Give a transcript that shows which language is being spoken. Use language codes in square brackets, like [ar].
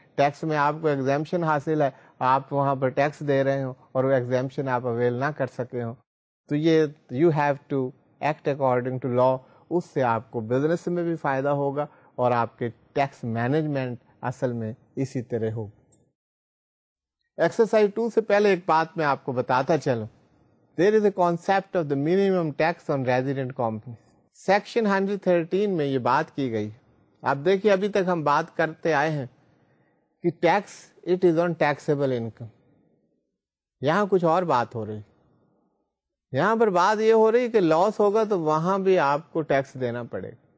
[ur] Tax میں آپ کو ایگزیمشن حاصل ہے, آپ وہاں پر ٹیکس دے رہے ہوں اور وہ ایگزیمشن آپ اویل نہ کر سکے ہوں. تو یہ [en] You have to act according to law. [ur] اس سے آپ کو بزنس میں بھی فائدہ ہوگا اور آپ کے ٹیکس مینجمنٹ اصل میں اسی طرح ہو. ایکسرسائز 2 سے پہلے ایک بات میں آپ کو بتاتا چلوں. [en] There is a concept of the minimum tax on resident company. [ur] Section 113 میں یہ بات کی گئی. آپ دیکھیے ابھی تک ہم بات کرتے آئے ہیں کہ tax [en] It is on taxable income. [ur] یہاں کچھ اور بات ہو رہی ہے. یہاں پر بات یہ ہو رہی ہے کہ لاس ہوگا تو وہاں بھی آپ کو ٹیکس دینا پڑے گا.